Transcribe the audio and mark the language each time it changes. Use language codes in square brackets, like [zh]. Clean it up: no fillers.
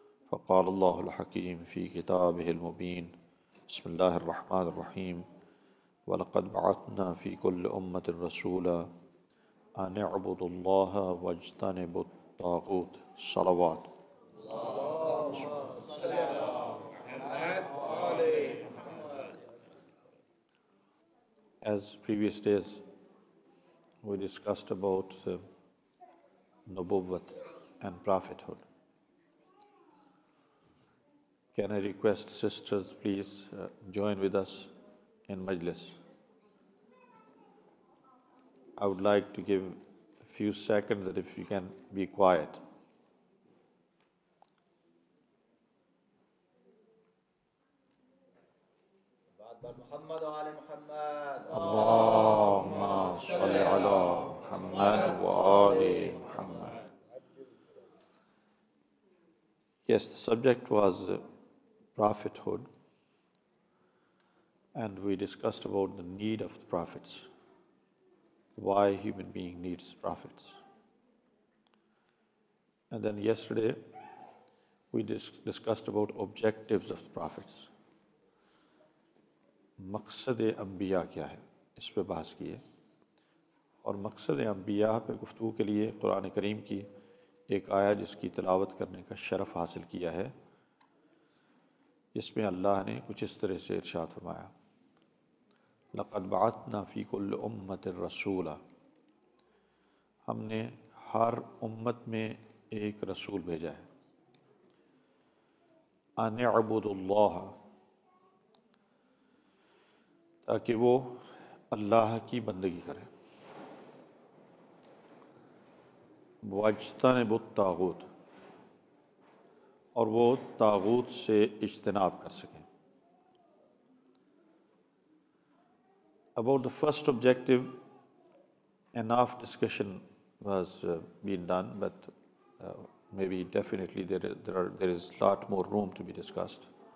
[ar] فقال الله الحكيم في كتابه المبين بسم الله الرحمن الرحيم ولقد بعثنا في كل أمة رسولا أن اعبدوا الله واجتنبوا الطاغوت صلوات As previous days, we discussed about Nubuwwat and Prophethood. [en] Can I request sisters, please join with us in Majlis? I would like to give a few seconds that if you can be quiet. [ar] اللهم صل على محمد وآل محمد. [en] Yes, the subject was prophethood, and we discussed about the need of the prophets, why human being needs prophets. And then yesterday we discussed about objectives of the prophets. [ur] مقصد انبیاء کیا ہے, اس پہ بحث کی ہے, اور مقصد انبیاء پہ گفتگو کے لیے قرآن کریم کی ایک آیہ جس کی تلاوت کرنے کا شرف حاصل کیا ہے, جس میں اللہ نے کچھ اس طرح سے ارشاد فرمایا, لقد بعثنا فی کل امت رسولا, ہم نے ہر امت میں ایک رسول بھیجا ہے, ان اعبدوا اللہ, تاکہ وہ اللہ کی بندگی کرے, واجتنب الطاغوت, اور وہ طاغوت سے اجتناب کر سکیں. [en] About the first objective, enough discussion has been done, but maybe definitely there is lot more room to be discussed.